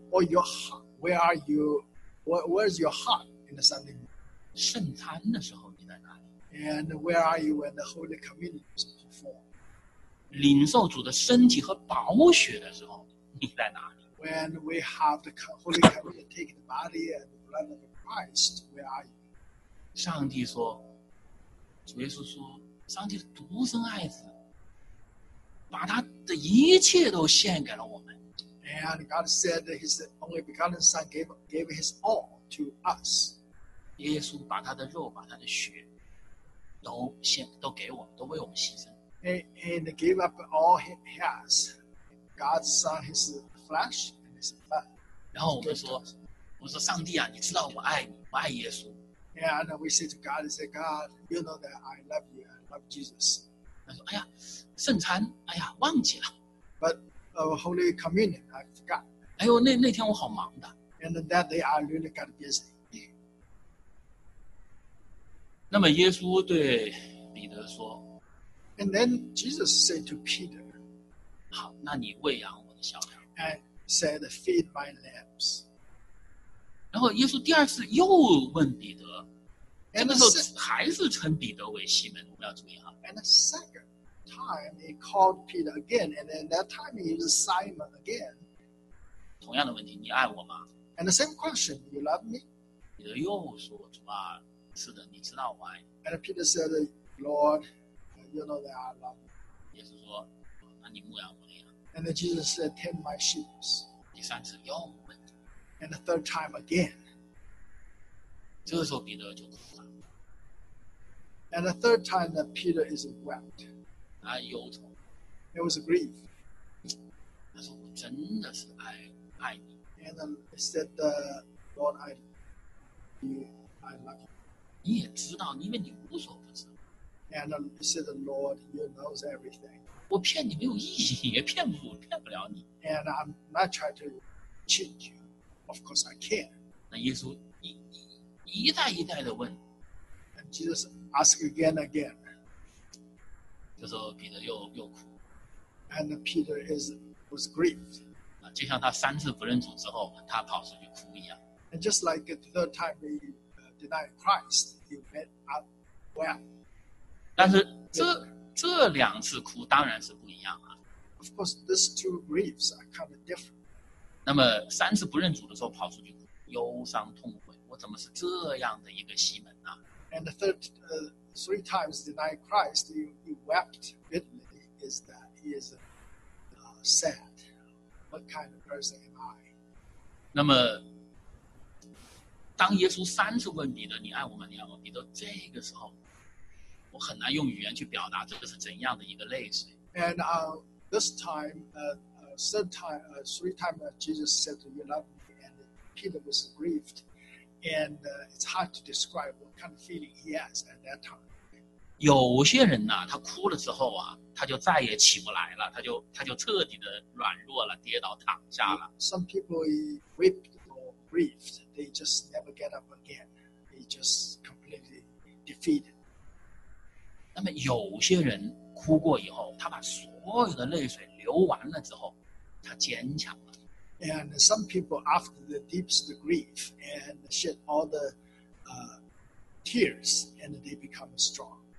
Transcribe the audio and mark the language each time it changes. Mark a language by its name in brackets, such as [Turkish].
[English] Or your heart, where are you, where is your heart? [Chinese] 圣餐的时候你在哪里？ [English] And where are you when the Holy Communion is performed? [Chinese] 领受主的身体和宝血的时候你在哪里？ [English] When we have the Holy Communion, take the body and blood of Christ, where are you? [Chinese] 上帝说，主耶稣说，上帝独生爱子把他的一切都献给了我们。 [English] And God said that his only begotten son gave his all. To us, [Chinese] 耶稣把他的肉、把他的血都献、都给我们、都为我们牺牲。 [English] And gave up all he has, God's son, his flesh and his blood. [Chinese] 然后我们说，我说上帝啊，你知道我爱你，我爱耶稣。 [English] And we say to God, say God, you know that I love you, I love Jesus. [Chinese] 他说，哎呀，圣餐，哎呀，忘记了。 [English] But Holy Communion, I forgot. [Chinese] 哎呦，那天我好忙的。 [English] And that they are really got busy. [Chinese] 那么耶稣对彼得说， [English] And then Jesus said to Peter, [Chinese] 好，那你喂养我的小羊。 [English] And said, feed my lambs. [Chinese] 然后耶稣第二次又问彼得， [English] And [Chinese] 这个时候还是称彼得为西门，我们要注意啊。 [English] And the second time he called Peter again, and then that time he is Simon again. [Chinese] 同样的问题，你爱我吗？ [English] And the same question, you love me? [Chinese] 彼得又说，主啊，是的，你知道我爱你。 [English] And Peter said, Lord, you know that I love you. [Chinese] 耶稣说，那你牧养我的羊。 [English] And Jesus said, tend my sheep. [Chinese] 第三次又问。 [English] And the third time again. [Chinese] 这个时候彼得就哭了。 [English] And the third time that Peter is wept. [Chinese] 他忧愁。 [English] It was a grief. [Chinese] 他说，我真的是爱你。 [English] And I said, Lord, I love you. [Chinese] 你也知道，因为你无所不知。 [English] And I said, Lord, you know everything. [Chinese] 我骗你没有意义，也骗不了你。 [English] And I'm not trying to cheat you. Of course, I can. [Chinese] 那耶稣一代一代的问。 [English] And Jesus asked again and again. [Chinese] 这时候彼得又哭。 [English] And Peter was grieved. [Chinese] 就像他三次不认主之后他跑出去哭一样。 [English] And just like the third time he denied Christ, he went out well. [Chinese] 但是这两次哭当然是不一样啊。 [English] Of course, these two griefs are kind of different. [Chinese] 那么三次不认主的时候跑出去哭，忧伤痛悔，我怎么是这样的一个西门啊？ [English] And the third, three times denied Christ, he wept bitterly. Is that he is sad? What kind of person am I? [Chinese] 那么，当耶稣三次问彼得：“你爱我吗？你爱我？” 彼得这个时候。我很难用语言去表达这是怎样的一个泪水。 [English] And this time, third time, three times, Jesus said, "You love me," and Peter was grieved, and it's hard to describe what kind of feeling he has at that time. [Chinese] 有些人呢、啊，他哭了之后啊，他就再也起不来了，他就彻底的软弱了，跌倒躺下了。 [English] Some people weeped or grieved, they just never get up again. They just completely defeated. [Chinese] 那么有些人哭过以后，他把所有的泪水流完了之后，他坚强了。 [English] And some people after the deepest grief and shed all the tears and they become strong.